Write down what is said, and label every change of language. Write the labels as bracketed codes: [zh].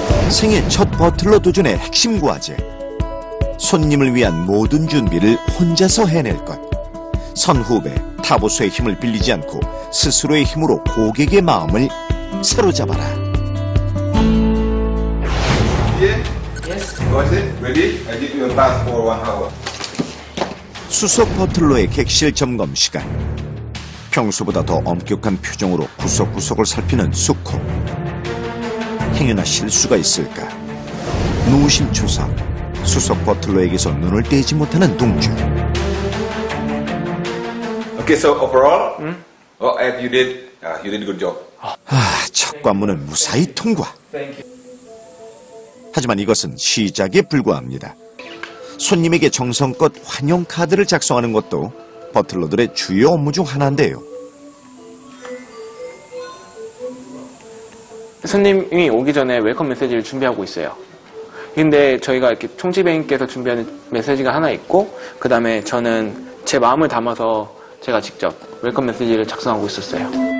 [ko] 생애 첫 버틀러 도전의 핵심 과제. 손님을 위한 모든 준비를 혼자서 해낼 것. 선후배, 타보수의 힘을 빌리지 않고 스스로의 힘으로 고객의 마음을 사로잡아라. [en] Yes. Ready? I give you a pass for 1 hour. [ko] 수석 버틀러의 객실 점검 시간. 평소보다 더 엄격한 표정으로 구석구석을 살피는 수코. 행여나 실수가 있을까? 노심초사. 수석 버틀러에게서 눈을 떼지 못하는 동주. [en] Okay, so overall, you did a good job. [ko] 첫 관문은 무사히 통과. [en] Thank you. [ko] 하지만 이것은 시작에 불과합니다. 손님에게 정성껏 환영 카드를 작성하는 것도 버틀러들의 주요 업무 중 하나인데요. 손님이 오기 전에 웰컴 메시지를 준비하고 있어요. 근데 저희가 이렇게 총지배님께서 준비하는 메시지가 하나 있고, 그 다음에 저는 제 마음을 담아서 제가 직접 웰컴 메시지를 작성하고 있었어요.